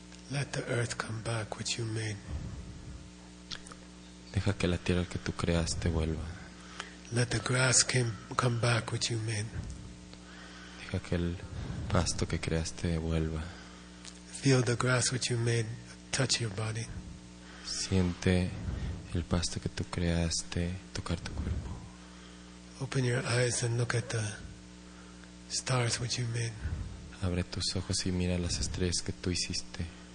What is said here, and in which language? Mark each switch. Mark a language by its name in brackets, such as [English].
[English] Let the earth come back, which you made. [Spanish] Deja que la tierra que tú creaste vuelva. [English] Let the grass come back, which you made. [Spanish] Deja que el pasto que creaste vuelva. [English] Feel the grass which you made touch your body. [Spanish] Siente el pasto que tú creaste tocar tu cuerpo. [English] Open your eyes and look at the stars which you made. [Spanish] Abre tus ojos y mira las estrellas que tú hiciste.